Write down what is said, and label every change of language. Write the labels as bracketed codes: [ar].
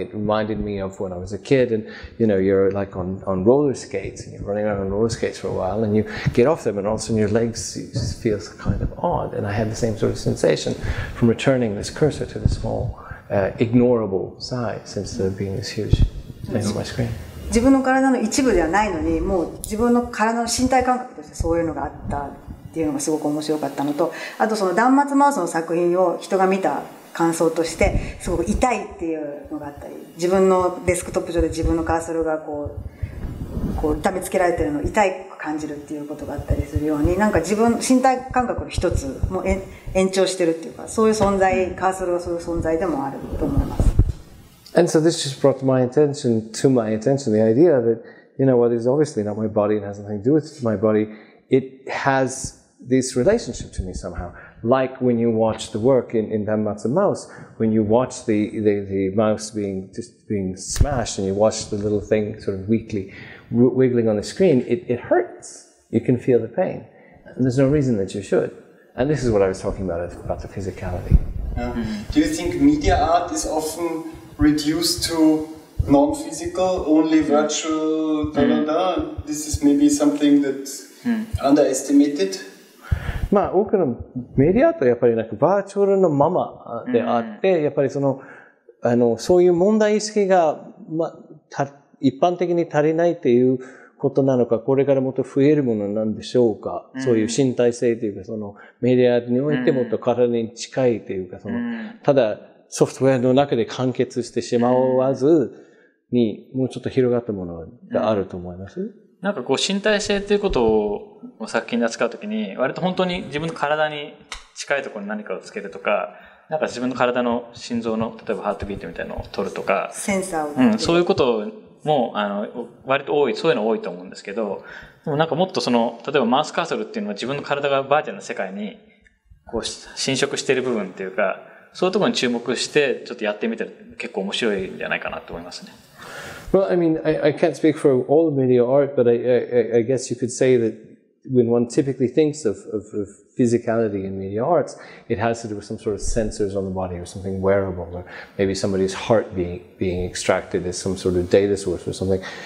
[en] It reminded me of when I was a kid, and you're like on roller skates, and you're running around on roller skates for a while, and you get off them, and all of a sudden your legs feel kind of odd. And I had the same sort of sensation from returning this cursor to the small, ignorable size, since there being this huge thing on my screen. [ja] 自分の体の一部ではないのに、もう自分の体の身体感覚としてそういうのがあったっていうのがすごく面白かったのと、あとその断末マウスの作品を人が見た感想としてすごく痛いっていうのがあったり、自分のデスクトップ上で自分のカーソルがこう痛みつけられてるのを痛く感じるっていうことがあったりするように、なんか自分身体感覚の一つも延長してるっていうか、そういう存在、カーソルはそういう存在でもあると思います。 [en] And so this just brought to my attention the idea that, what is obviously not my body and has nothing to do with my body, it has this relationship to me somehow. Like when you watch the work in Danmatz Mouse, when you watch the mouse being smashed and you watch the little thing sort of weakly wiggling on the screen, it hurts. You can feel the pain. And there's no reason that you should. And this is what I was talking about the physicality. Do you think media art is often reduced to non-physical, only virtual, This is maybe something that's underestimated? [ja] まあ、多くのメディアとやっぱりなんかバーチャルのままであって、やっぱりそういう問題意識が、まあ、一般的に足りないっていうことなのか、これからもっと増えるものなんでしょうか。そういう身体性というか、そのメディアにおいてもっと体に近いというか、ただソフトウェアの中で完結してしまわずに、もうちょっと広がったものがあると思います。なんかこう身体性っていうことを作品で扱うときに割と本当に自分の体に近いところに何かをつけるとか、なんか自分の体の心臓の例えばハートビートみたいなのを取るとか、センサーを、そういうこともあの割と多い、そういうの多いと思うんですけど、でもなんかもっとその例えばマウスカーソルっていうのは自分の体がバーチャルな世界にこう侵食している部分っていうか、そういうところに注目してちょっとやってみたら結構面白いんじゃないかなと思いますね。 [en] Well, I mean, I can't speak for all media art, but I guess you could say that when one typically thinks of physicality in media arts, it has to do with some sort of sensors on the body or something wearable, or maybe somebody's heart being extracted as some sort of data source or something.